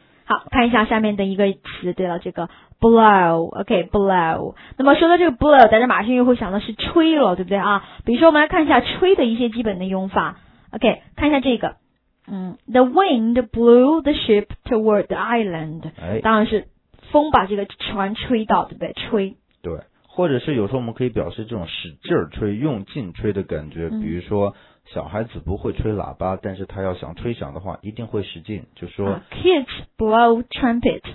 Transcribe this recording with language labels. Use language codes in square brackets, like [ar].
[zh] 好，看一下下面的一个词。对了，这个 blow，OK，blow。那么说到这个 blow，大家马上又会想到是吹了，对不对啊？比如说，我们来看一下吹的一些基本的用法。 [en] OK， [zh] 看一下这个， [en] The wind blew the ship toward the island。 [zh] 当然是风把这个船吹到，对不对？吹。对，或者是有时候我们可以表示这种使劲儿吹、用劲吹的感觉，比如说。小孩子不会吹喇叭，但是他要想吹响的话，一定会使劲，就说。 [en] Kids blow trumpet。